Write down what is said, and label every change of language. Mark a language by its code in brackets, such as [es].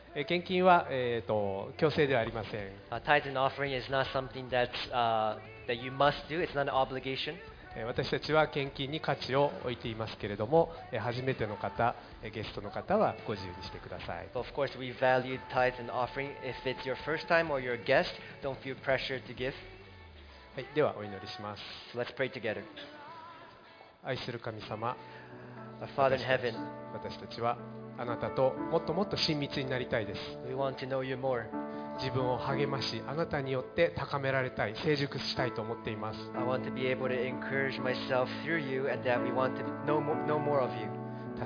[ja] 献金は、強制ではありません。 [en] Tithes and offering is not something that, that you must do. It's not an obligation. [ja] 私たちは献金に価値を置いていますけれども、初めての方、ゲストの方はご自由にしてください。 [en] Of course, we value tithes and offering. If it's your first time or your guest, don't feel pressure to give. [ja] はい、ではお祈りします。 [en] So let's pray together. [ja] 愛する神様、 [en] Father in heaven, [ja] 私たちはあなたともっともっと親密になりたいです。 [en] We want to know you more. [ja] 自分を励まし、あなたによって高められたい、成熟したいと思っています。 [en] I want to be able to encourage myself through you and that we want to know more of you.